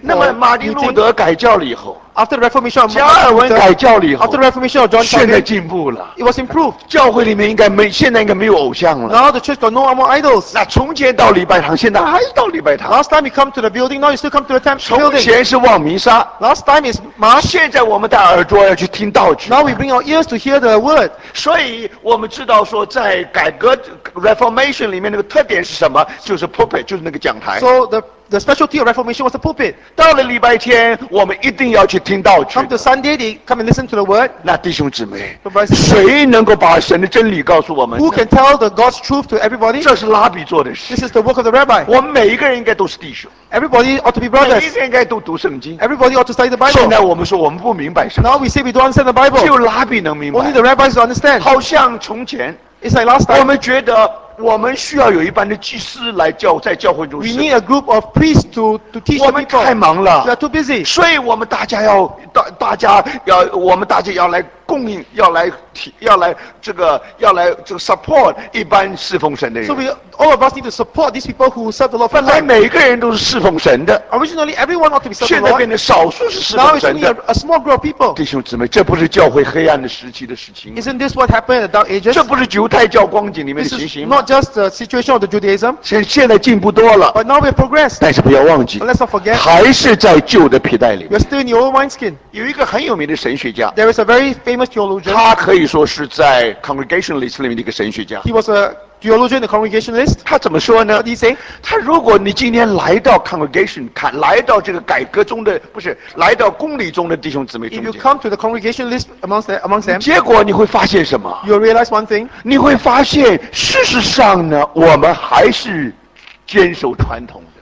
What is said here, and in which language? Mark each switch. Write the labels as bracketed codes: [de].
[zh] 那么马丁路德改教了以后。 [en] After the Reformation, [zh] 加尔文改教了以后。 [en] After the Reformation of John Calvin. [zh] 现在进步了。 [en] It was improved. [zh] 教会里面现在应该没有偶像了。 [en] Now the church got no more idols. [zh] 那从前到礼拜堂，现在还到礼拜堂。 [en] Last time you come to the building, now you still come to the temple building. [zh] 从前是望弥撒。 [en] Last time is mass. [zh] 现在我们戴耳朵要去听道具。 [en] Now we bring our ears to hear the word. [zh] 所以我们知道说在改革 Reformation 里面那个特点是什么，就是 pulpit， 就是那个讲台。 [en] So the specialty of Reformation was the pulpit. [zh] 到了礼拜天，我们一定要去听道具。 [en] Come to Sunday, they come and listen to the word. [zh] 那弟兄姊妹，谁能够把神的真理告诉我们 [en] ？Who can tell the God's truth to everybody? [zh] 这是拉比做的事。 [en] This is the work of the rabbi. [zh] 我们每一个人应该都是弟兄。 [en] Everybody ought to be brothers. [zh] 每一个人应该都读圣经。 [en] Everybody ought to study the Bible. [zh] 现在我们说我们不明白什么。 [en] Now we say we don't understand the Bible. [zh] 只有拉比能明白。 [en] Only the rabbis understand. [zh] 好像从前 [en] ，It's like last time. [zh] 我们觉得。我们需要有一班的祭司来教，在教会中。 [en] We need a group of priests to teach people. [zh] 我们太忙了。 [en] We are too busy. [zh] 所以我们大家要大家要我们大家要来供应，要来这个 support 一班侍奉神的人。 [en] So we all of us need to support these people who serve the Lord. [zh] 本来每个人都是侍奉神的。 [en] Originally, everyone ought to be serving the Lord. [zh] 现在变成少数是侍奉神的。 [en] Now it's only a small group of people. [zh] 弟兄姊妹，这不是教会黑暗的时期的事情。 [en] Isn't this what happened in the Dark Ages? [zh] 这不是犹太教光景里面的情形吗？ [en] Just the situation of the Judaism. [zh] 现在进步多了。 [en] But now we progress. [zh] 但是不要忘记。 [en] Let's not forget. [zh] 还是在旧的皮带里。 [en] You're still in your old wineskin. [zh] 有一个很有名的神学家。 [en] There is a very famous theologian. [zh] 他可以说是在 Congregationalist 里面的一个神学家。 [en] He was a theologian, the Congregationalist. [zh] 他怎么说呢 [en] ？He say, [zh] 他如果你今天来到 Congregation 看，来到这个改革中的不是，来到公理中的弟兄姊妹中 [en] 间。If you come to the Congregationalist amongst them, [zh] 结果你会发现什么 [en] ？You realize one thing. [zh] 你会发现，事实上呢，我们还是坚守传统的。